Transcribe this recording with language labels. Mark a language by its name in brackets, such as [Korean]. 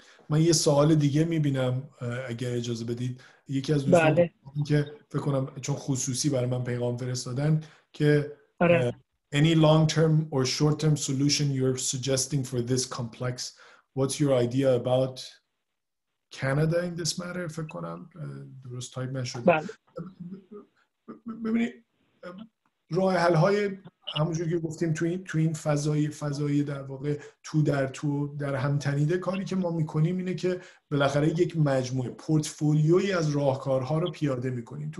[Persian] من یه سوال دیگه میبینم اگر اجازه بدید. یکی از دوستان بله. که فکر کنم چون خصوصی برای من پیغام فرستادن که آره. [English] Any long-term or short-term solution you're suggesting for this complex, what's your idea about Canada in this matter? [Persian] فکر کنم درست تایپ نشد. بله. ببینید راه حل های همونجور که گفتیم تو این فضای در واقع تو در هم تنیده، کاری که ما میکنیم اینه که بالاخره یک مجموعه پورتفولیویی از راهکارها رو پیاده میکنیم.